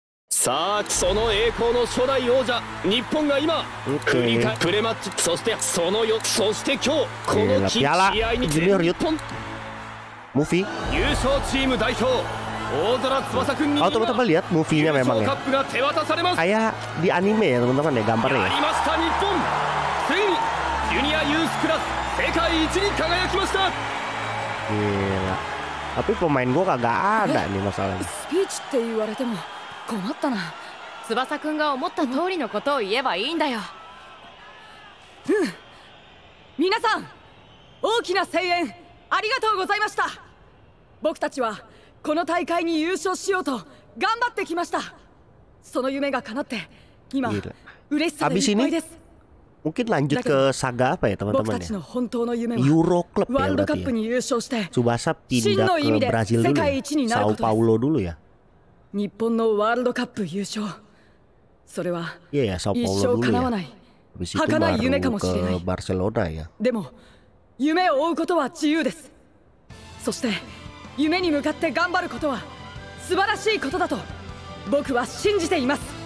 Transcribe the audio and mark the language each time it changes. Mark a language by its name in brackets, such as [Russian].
[Japanese] さあ、その栄光の初代王者、日本が今、クリカプレマッチ、そしてそのよ、そして今日、この試合に全日本、ムフィ、優勝チーム代表、大空翼くんに今、優勝カップが手渡されます。 [Indonesian] あや、di anime ya teman-teman ね、 [Japanese] 頑張れ。やりました日本、ついにジュニアユースクラス世界一に輝きました。 [Indonesian] いや、tapi pemain gua kagak ada nih masalahnya。 [Japanese] スピーチって言われても。困ったな。翼くんが思った通りのことを言えばいいんだよ。うん、皆さん、大きな声援ありがとうございました。僕たちはこの大会に優勝しようと頑張ってきました。その夢が叶って今嬉しさでいっぱいです。 [Indonesian] Mungkin lanjut ke saga apa ya teman-teman ya? Euro Club ya berarti ya. Tsubasa pindah ke Brazil dulu ya? Sao Paulo dulu ya? [Japanese] Nippon no World Cup 優勝、それは一生叶わない儚い夢かもしれない。でも夢を追うことは自由です。そして夢に向かって頑張ることは素晴らしいことだと僕は信じています。